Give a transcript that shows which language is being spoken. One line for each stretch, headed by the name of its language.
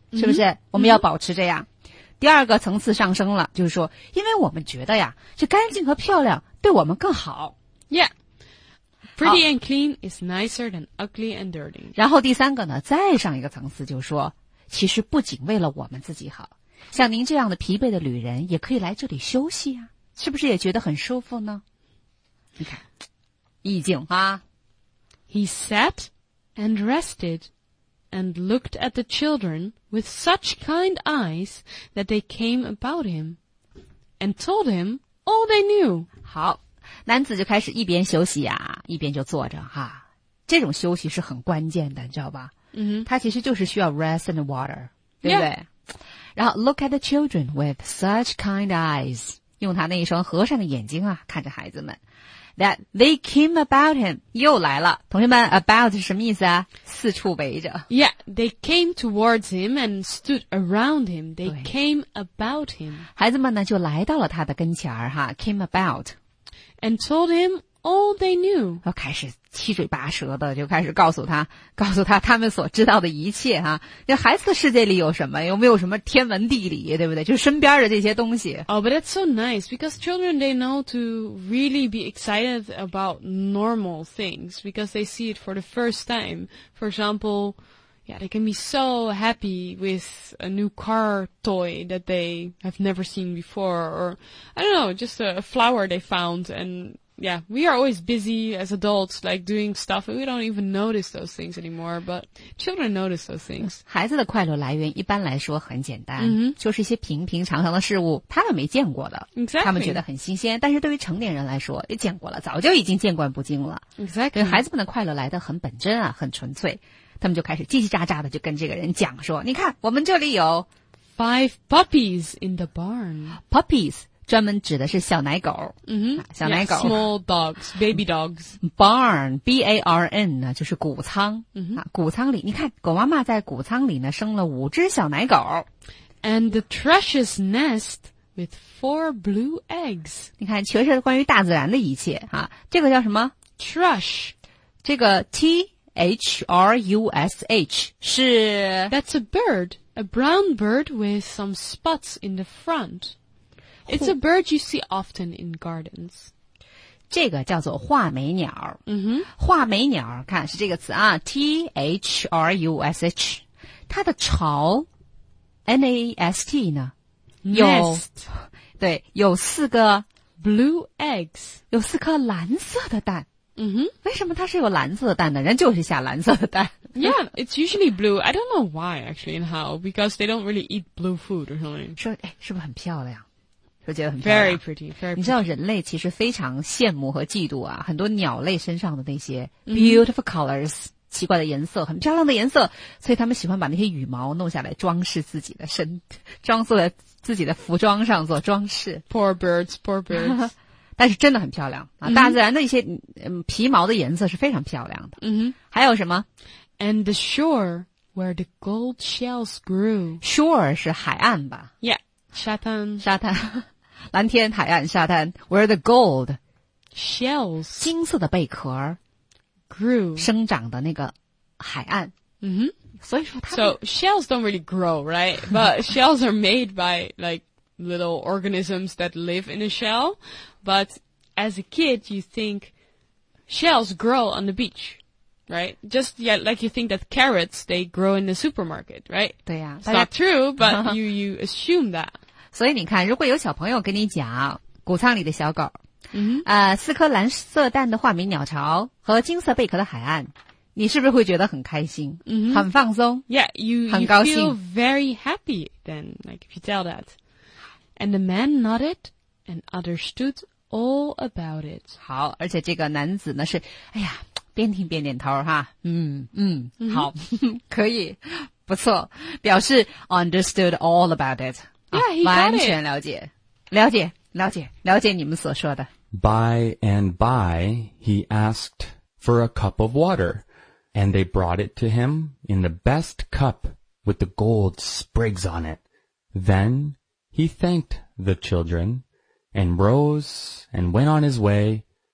Chinese: 是不是、mm-hmm. 我们要保持这样、mm-hmm. 第二个层次上升了，就是说因为我们觉得呀这干净和漂亮对我们更好。
English: Yeah, pretty and clean is nicer than ugly and dirty.
Chinese: 然后第三个呢，再上一个层次，就是说其实不仅为了我们自己好，像您这样的疲惫的旅人也可以来这里休息啊，是不是也觉得很舒服呢？你看意境啊。
English: He sat and restedand looked at the children with such kind eyes that they came about him and told him all they knew.
Chinese: 好,男子就开始一边休息啊,一边就坐着哈。这种休息是很关键的,你知道吧?他其实就是需要
English: rest and water,
Chinese: 对不对?
English: Yeah.
Chinese: 然后
English: look at the children with such kind eyes,
Chinese: 用他那一双和善的眼睛啊,看着孩子们。
English: That they came about him,
Chinese: 又来了。同学们 ,about 是什么意思啊? 四处围着。
English: Yeah, they came towards him and stood around him. They came about him.
Chinese: 孩子们呢就来到了他的跟前儿哈 ,
English: came about. And told him all they knew.
Chinese: 然后开始七嘴八舌的就开始告诉他他们所知道的一切哈。那孩子的世界里有什么，有没有什么天文地理，对不对，就是身边的这些东西。
English: Oh, but that's so nice, because children, they know to really be excited about normal things, because they see it for the first time. For example, yeah, they can be so happy with a new car toy that they have never seen before, or, I don't know, just a flower they found andYeah, we are always busy as adults, like doing stuff, and we don't even notice those things anymore, but children notice those things.
Chinese: 孩子的快乐来源一般来说很简单、 mm-hmm. 就是一些平平常常的事物他们没见过的、
English: exactly.
Chinese: 他们觉得很新鲜，但是对于成年人来说也见过了，早就已经见惯不惊了、
English: exactly.
Chinese: 对孩子们的快乐来得很本真啊，很纯粹，他们就开始叽叽喳喳的就跟这个人讲说，你看我们这里有
English: 5 puppies in the barn.
Chinese: Puppies专门指的是小奶狗、小奶狗
English: yeah, small dogs, baby dogs.
Chinese: Barn, B-A-R-N, 呢就是谷仓、 mm-hmm. 啊、谷仓里，你看狗妈妈在谷仓里呢生了五只小奶狗。
English: And the thrush's nest with 4 blue eggs.
Chinese: 你看全是关于大自然的一切、啊、这个叫什么
English: thrush,
Chinese: 这个 T-H-R-U-S-H 是
English: That's a bird, a brown bird with some spots in the front. It's a bird you see often in gardens.
Chinese: 这个叫做画眉鸟。嗯哼，画眉鸟，看是这个词啊 ，thrush， 它的巢 ，nest 呢，
English: nest，
Chinese: 有，对，有四个
English: blue eggs，
Chinese: 有四颗蓝色的蛋。嗯哼，为什么它是有蓝色的蛋呢？人就是下蓝色的蛋。
English: Yeah, it's usually blue. I don't know why, actually, and how. Because they don't really eat blue food or something.
Chinese: 说，哎，是不是很漂亮？说觉得很漂亮。
English: Very pretty, very pretty.
Chinese: 你知道人类其实非常羡慕和嫉妒啊，很多鸟类身上的那些
English: beautiful colors，
Chinese: 奇怪的颜色，很漂亮的颜色，所以他们喜欢把那些羽毛弄下来装饰自己的身，装作自己的服装上做装饰。
English: Poor birds, poor birds.
Chinese: 但是真的很漂亮啊！大自然的一些皮毛的颜色是非常漂亮的。嗯哼，还有什么
English: ？And the shore where the gold shells grew.
Chinese: Shore 是海岸吧？Yeah, 沙滩。沙滩，蓝天、海岸、沙滩。
English: Where the gold shells
Chinese: 金色的贝壳
English: grew
Chinese: 生长的那个海岸。嗯哼，所以说它。
English: So shells don't really grow, right? But shells are made by like. Little organisms that live in a shell, but as a kid, you think shells grow on the beach, right? Just yeah, like you think that carrots they grow in the supermarket, right?
Chinese: 对呀、
English: 啊、，not true, but you assume that.
Chinese: 所以你看，如果有小朋友跟你讲谷仓里的小狗，嗯、mm-hmm. ，四颗蓝色蛋的画眉鸟巢和金色贝壳的海岸，你是不是会觉得很开心，嗯、mm-hmm. ，很放松
English: ？Yeah, you
Chinese: 很高兴
English: you feel very happy then, like if you tell that. And the man nodded and understood all about it.
Chinese: 好，而且这个男子呢是，哎呀，边听边点头哈，嗯嗯，好，可以，不错，表示
English: understood all about it. Yeah, he got it.
Chinese: 完全了解，了解，了解，了解你们所说的。
English: By and by, he asked for a cup of water, and they brought it to him in the best cup with the gold sprigs on it. Then. He thanked the children and rose and went on his way.